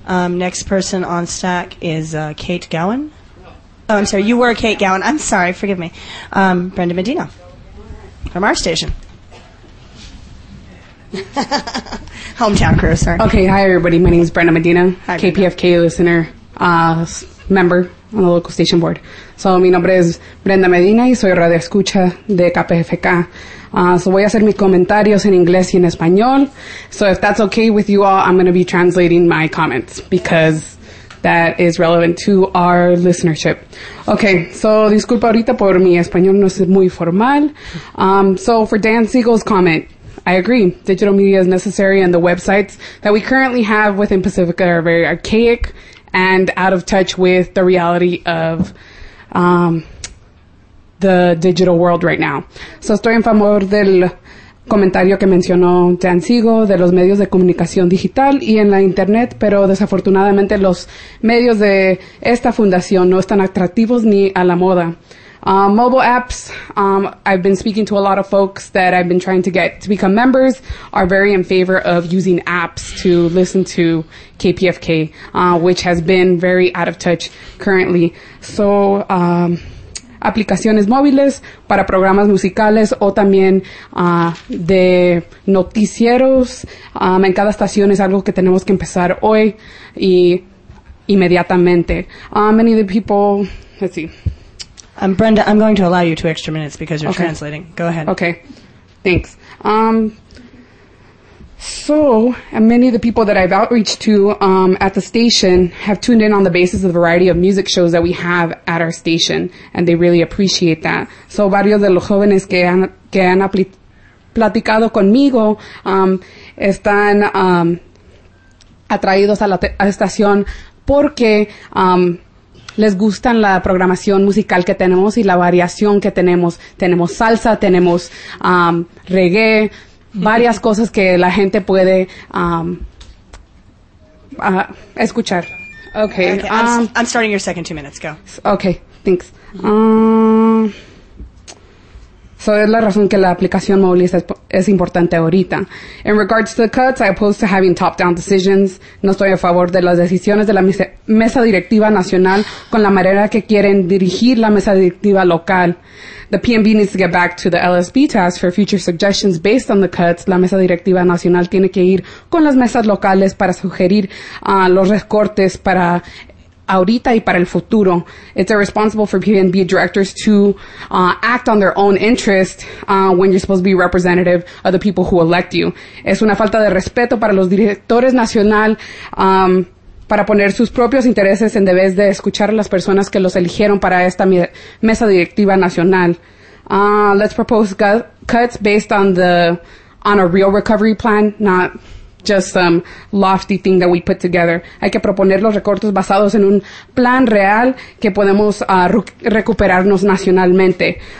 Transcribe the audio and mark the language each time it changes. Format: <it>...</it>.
<en>Next person on stack is Kate Gowan. Oh, I'm sorry, you were Kate Gowan. I'm sorry, forgive me. Brenda Medina from our station. Hometown crew, sorry. Okay, hi everybody. My name is Brenda Medina, hi, KPFK listener, member on the local station board.</en> <es>So, mi nombre es Brenda Medina y soy radio escucha de KPFK. So, voy a hacer mis comentarios en inglés y en español.</es> <en>So, if that's okay with you all, I'm going to be translating my comments because that is relevant to our listenership.</en> <es>Okay, so disculpa ahorita por mi español no es muy formal.</es> <en>So, for Dan Siegel's comment, I agree. Digital media is necessary, and the websites that we currently have within Pacifica are very archaic and out of touch with the reality of the digital world right now.</en> <es>So estoy en favor del comentario que mencionó Dan Siegel de los medios de comunicación digital y en la Internet, pero desafortunadamente los medios de esta fundación no están atractivos ni a la moda.</es> <en>Mobile apps, I've been speaking to a lot of folks that I've been trying to get to become members, are very in favor of using apps to listen to KPFK, which has been very out of touch currently.</en> <es>So, aplicaciones móviles para programas musicales o también de noticieros. En cada estación es algo que tenemos que empezar hoy y inmediatamente.</es> <en>Many of the people, let's see. Brenda, I'm going to allow you 2 extra minutes because you're translating. Go ahead. Okay. Thanks. So, and many of the people that I've outreached to at the station have tuned in on the basis of the variety of music shows that we have at our station, and they really appreciate that.</en> <es>So, varios de los jóvenes que han platicado conmigo están atraídos a la estación porque... les gustan la programación musical que tenemos y la variación que tenemos. Tenemos salsa, tenemos reggae, varias cosas que la gente puede escuchar.</es> <en>Okay. I'm starting your second 2 minutes. Go. Okay. Thanks.</en> <es>So es la razón que la aplicación móvil es importante ahorita.</es> <en>In regards to the cuts, I oppose to having top-down decisions.</en> <es>No estoy a favor de las decisiones de la mesa directiva nacional con la manera que quieren dirigir la mesa directiva local.</es> <en>The PMB needs to get back to the LSB to ask for future suggestions based on the cuts.</en> <es>La mesa directiva nacional tiene que ir con las mesas locales para sugerir los recortes para ahorita y para el futuro.</es> <en>It's irresponsible for PNB directors to act on their own interest when you're supposed to be representative of the people who elect you.</en> <es>Es una falta de respeto para los directores nacional para poner sus propios intereses en vez de escuchar a las personas que los eligieron para esta mesa directiva nacional.</es> <en>Let's propose cuts based on a real recovery plan, not just some lofty thing that we put together.</en> <es>Hay que proponer los recortes basados en un plan real que podemos recuperarnos nacionalmente.</es>